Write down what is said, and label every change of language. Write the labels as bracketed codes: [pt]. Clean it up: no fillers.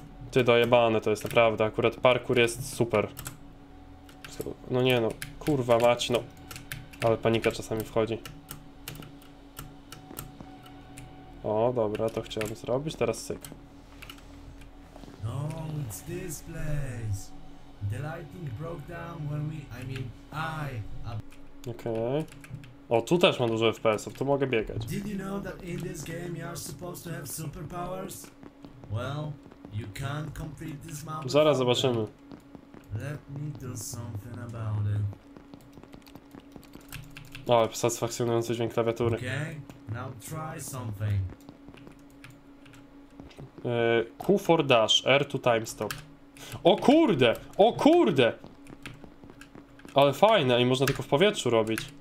[pl] Ty dojebane, to jest naprawdę, akurat parkour jest super. No nie no, kurwa mać, no. Ale panika czasami wchodzi. O, dobra, to chciałem zrobić, teraz syk. [en] No, it's this place. The lighting broke down when we, I mean, I... [pl] Okej. O, tu też mam dużo FPS-ów, tu mogę biegać. [en] Did you know that in this game you are supposed to have superpowers? Well, you can't complete this map. [pl] Zaraz zobaczymy. [en] Let me do something about it. [pl] O, satysfakcjonujący dźwięk klawiatury. [en] Okay, now try something. Q for dash, R to time stop. [pl] O kurde, o kurde! Ale fajne i można tylko w powietrzu robić.